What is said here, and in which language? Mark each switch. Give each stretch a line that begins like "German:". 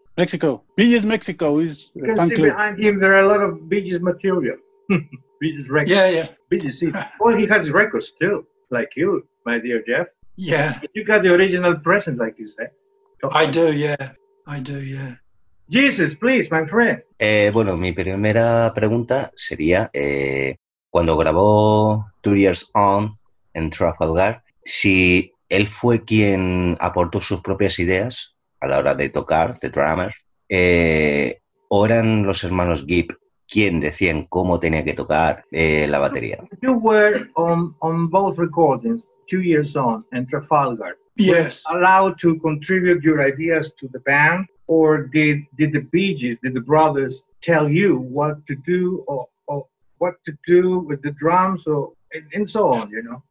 English: Mexico. Bee Gees Mexico is. You can see behind him there are a lot of Bee Gees material. Bee Gees records. Yeah, yeah. Bee Gees. Well, he has records too, like you, my dear Jeff. Yeah. You got the original present, like you said. I do, yeah. I do, yeah. Jesus, please, my friend.
Spanish: Bueno, mi primera pregunta sería, cuando grabó 2 Years On en Trafalgar, si él fue quien aportó sus propias ideas a la hora de tocar, de drummer, o eran los hermanos Gibb quien decían cómo tenía que tocar la batería.
English: You were on both recordings, 2 Years On and Trafalgar. Yes. Allowed to contribute your ideas to the band. Or did the Bee Gees, did the brothers tell you what to do or what to do with the drums or and so on, you know?